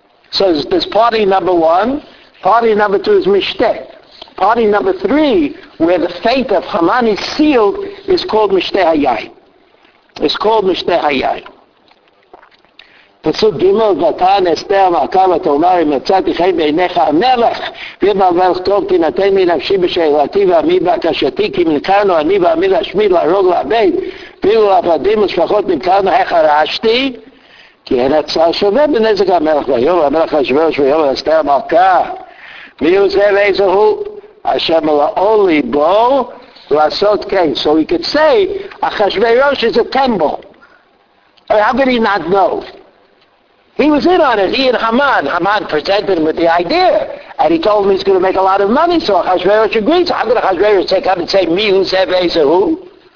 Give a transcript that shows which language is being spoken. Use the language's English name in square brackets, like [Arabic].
[English] So there's party number one. Party number two is mishteh. Party number three, where the fate of Haman is sealed, is called mishteh hayai. It's called mishteh hayai. [Hebrew] פסוק ג' ותען אסתר המלכה ותאמר אם מצאתי חיים בעיניך המלך ואם המלך טוב תינתן לי נפשי בשאלתי ועמי בקשתי כי נמכרנו אני ועמי להשמיד להרוג לעבד ואילו לעבדים ושפחות נמכרנו איך הרעשתי כי אין הצער שווה בנזק המלך ויאמר המלך אחשוורוש ויאמר אסתר המלכה מי הוא זה ואיזה הוא אשר מלאו ליבו לעשות כן. [English] So we could say אחשוורוש is a tembo. How could he not know? He was in on it, he and Haman. Haman presented him with the idea. And he told him he's going to make a lot of money, so Ahasuerus agreed. So how could Ahasuerus take up and say, me who said they say who?